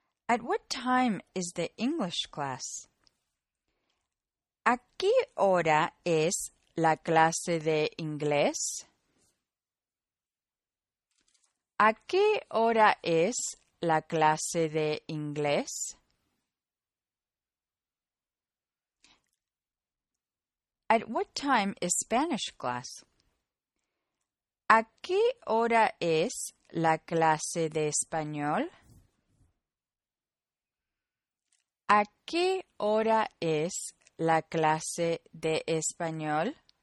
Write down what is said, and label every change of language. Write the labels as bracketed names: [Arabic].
[English] At what time is the English class? [Spanish] ¿A qué hora es la clase de inglés? ¿A qué hora es la clase de inglés? [English] At what time is Spanish class? [Spanish] ¿A qué hora es la clase de español? ¿A qué hora es la clase de español?